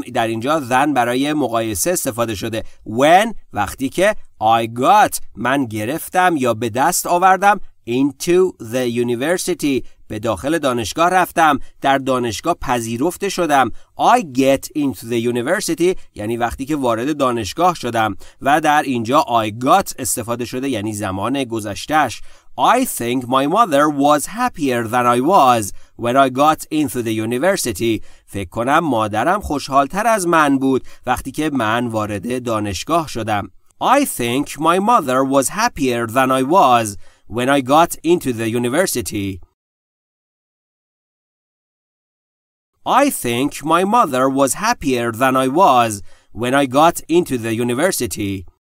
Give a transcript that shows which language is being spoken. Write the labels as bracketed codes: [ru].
[fa] در اینجا than برای مقایسه استفاده شده. [en] When [fa] وقتی که [en] I got [fa] من گرفتم یا به دست آوردم [en] into the university [fa] به داخل دانشگاه رفتم، در دانشگاه پذیرفته شدم. [en] I get into the university [fa] یعنی وقتی که وارد دانشگاه شدم و در اینجا [en] I got [fa] استفاده شده یعنی زمان گذشتش. [en] I think my mother was happier than I was when I got into the university. [fa] فکر کنم مادرم خوشحالتر از من بود وقتی که من وارد دانشگاه شدم. [en] I think my mother was happier than I was when I got into the university. I think my mother was happier than I was when I got into the university.